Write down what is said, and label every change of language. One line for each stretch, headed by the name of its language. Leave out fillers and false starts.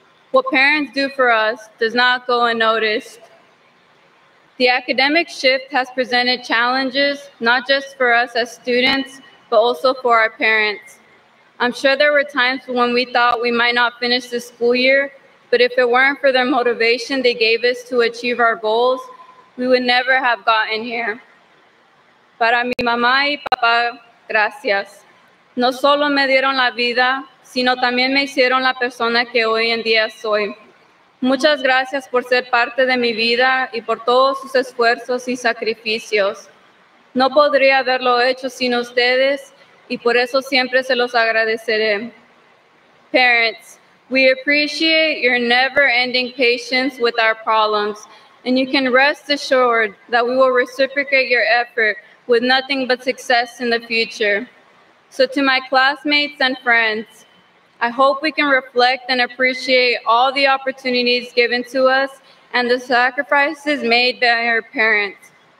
English: What parents do for us does not go unnoticed. The academic shift has presented challenges, not just for us as students, but also for our parents. I'm sure there were times when we thought we might not finish the school year, but if it weren't for the motivation they gave us to achieve our goals, we would never have gotten here.
Spanish: Para mi mamá y papá, gracias. No solo me dieron la vida, sino también me hicieron la persona que hoy en día soy. Muchas gracias por ser parte de mi vida y por todos sus esfuerzos y sacrificios. No podría haberlo hecho sin ustedes y por eso siempre se los agradeceré.
English: Parents, we appreciate your never-ending patience with our problems, and you can rest assured that we will reciprocate your effort with nothing but success in the future. So to my classmates and friends, I hope we can reflect and appreciate all the opportunities given to us and the sacrifices made by our parents.